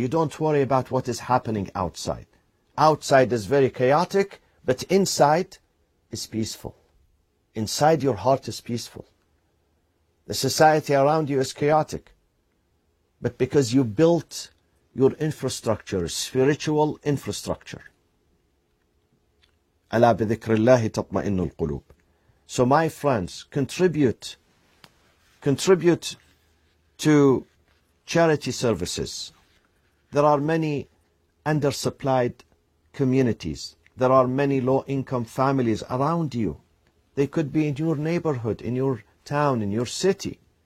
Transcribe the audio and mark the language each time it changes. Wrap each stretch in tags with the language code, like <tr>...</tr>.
<en>You don't worry about what is happening outside. Outside is very chaotic, but inside is peaceful. Inside your heart is peaceful. The society around you is chaotic, but because you built your infrastructure, spiritual infrastructure.</en> <ar>ألا بذكر الله تطمئن القلوب.</ar> <en>So my friends, contribute to charity services. There are many undersupplied communities. There are many low-income families around you. They could be in your neighborhood, in your town, in your city.</en>